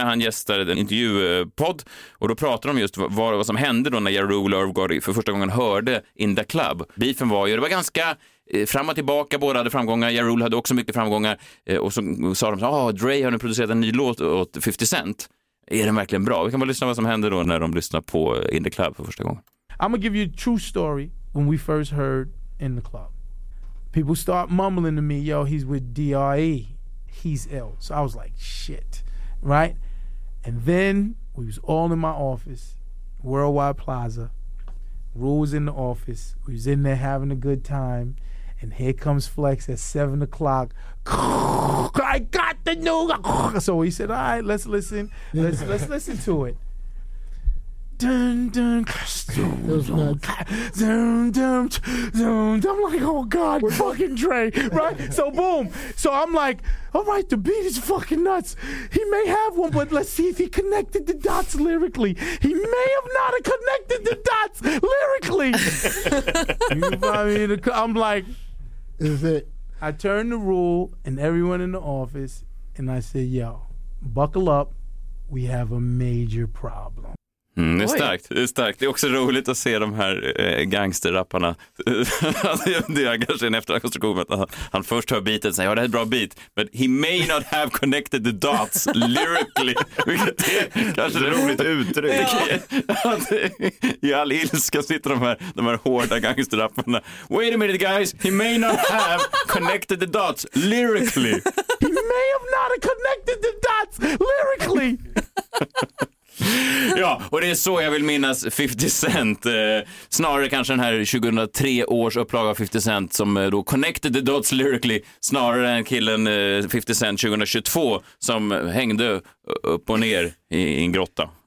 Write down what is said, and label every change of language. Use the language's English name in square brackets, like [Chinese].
[Swedish] Han gästade en intervjupodd. Och då pratade de just vad som hände då när Ja Rule och Irv Gotti för första gången hörde In Da Club. Beefen var ju, det var ganska fram och tillbaka, båda hade framgångar. Ja Rule hade också mycket framgångar. Och så sa de så här, Dre har nu producerat en ny låt åt 50 Cent. Är den verkligen bra? Vi kan bara lyssna vad som händer då när de lyssnar på In The Club för första gången. [English] I'm gonna give you a true story when we first heard In The Club. People start mumbling to me, yo, he's with D.R.E. He's ill. So I was like, shit, right? And then we was all in my office, Worldwide Plaza. Rule was in the office. We was in there having a good time. And here comes Flex at 7 o'clock. I got the new... So he said, all right, let's listen. Let's listen to it. Dun, dun, dun, dun, dun, dun. I'm like, oh, God, fucking Dre, right? So boom. So I'm like, all right, the beat is fucking nuts. He may have one, but let's see if he connected the dots lyrically. He may have not have connected the dots lyrically. I'm like... Is it? I turned to Rule and everyone in the office and I said, yo, buckle up, we have a major problem. [Swedish] Det är starkt, det är starkt. Det är också roligt att se de här gangsterrapparna. Det är kanske en efterkonstruktion att han först hör biten och säger, ja, det är ett bra beat, [English] but he may not have connected the dots lyrically. [Swedish] Vilket är kanske ett roligt uttryck. Ja. I all ilska sitter de här hårda gangsterrapparna. [English] Wait a minute guys, he may not have connected the dots lyrically. He may have not have connected the dots lyrically. [Swedish] Ja, och det är så jag vill minnas 50 Cent. Snarare kanske den här 2003 års upplaga av 50 Cent som då [English] connected the dots lyrically, [Swedish] snarare än killen 50 Cent 2022 som hängde upp och ner i en grotta.